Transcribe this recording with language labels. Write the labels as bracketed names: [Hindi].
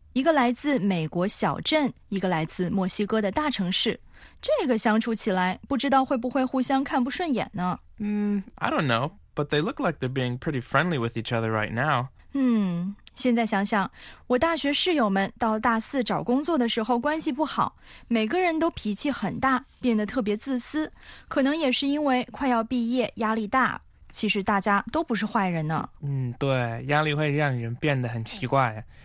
[Chinese] 一个来自美国小镇，一个来自墨西哥的大城市，这个相处起来不知道会不会互相看不顺眼呢？ [English] I don't know, but they look like they're being pretty friendly with each other right now. [Chinese] 现在想想，我大学室友们到大四找工作的时候关系不好，每个人都脾气很大，变得特别自私，可能也是因为快要毕业，压力大。其实大家都不是坏人呢。对，压力会让人变得很奇怪。